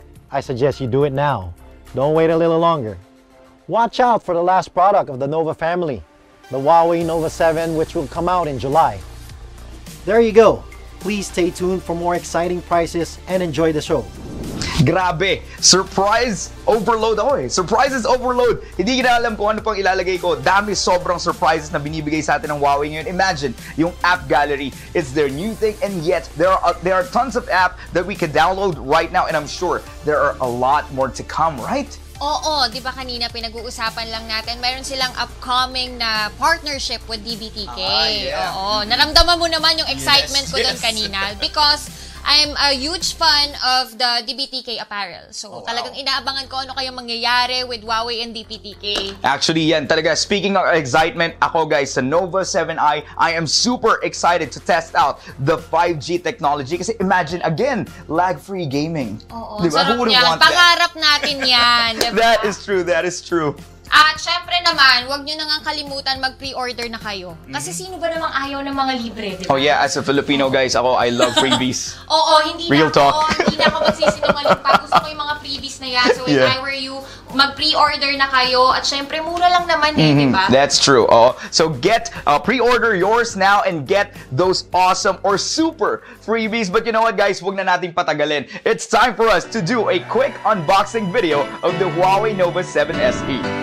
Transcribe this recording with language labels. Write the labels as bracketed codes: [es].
[en] I suggest you do it now. Don't wait a little longer. Watch out for the last product of the Nova family, the HUAWEI Nova 7, which will come out in July. There you go. Please stay tuned for more exciting prices and enjoy the show. Grabe! Surprise overload [tl] ako eh. [en] Surprises overload! [tl] Hindi ko na alam kung ano pang ilalagay ko. Dami sobrang surprises na binibigay sa atin ng HUAWEI ngayon. [en] Imagine, yung app gallery. It's their new thing and yet, there are tons of apps that we can download right now and I'm sure there are a lot more to come, right? [tl] Oo, di ba kanina pinag-uusapan lang natin, mayroon silang upcoming na partnership with DBTK. Oo, naramdaman mo naman yung excitement ko doon kanina [en] because I'm a huge fan of the DBTK apparel. [tl] So, talagang inaabangan ko ano kayong mangyayari with HUAWEI and DBTK. [en] Actually, [tl] yan talaga. [en] Speaking of excitement, ako guys, sa Nova 7i, I am super excited to test out the 5G technology. Kasi imagine, again, lag-free gaming. [tl] Oo, diba? Sarap. [en] Who would want that? [tl] Pangarap natin yan. Diba? [en] That is true, that is true. [tl] At syempre naman, huwag nyo nang kalimutan mag-pre-order na kayo. Kasi sino ba namang ayaw ng mga libre, diba? [en] Oh yeah, as a Filipino guys, [tl] ako, [en] I love freebies. [tl] Oo, hindi [en] real [tl] na [en] talk. [tl] Ako, hindi na ako magsisinungaling pa. Gusto ko yung mga freebies na yan. [en] So if yeah. I were you, [tl] mag-pre-order na kayo. At syempre, mura lang naman eh, mm-hmm. Diba? [en] That's true. So get, pre-order yours now and get those awesome or super freebies. But you know what guys, [tl] huwag na natin patagalin. [en] It's time for us to do a quick unboxing video of the HUAWEI Nova 7SE.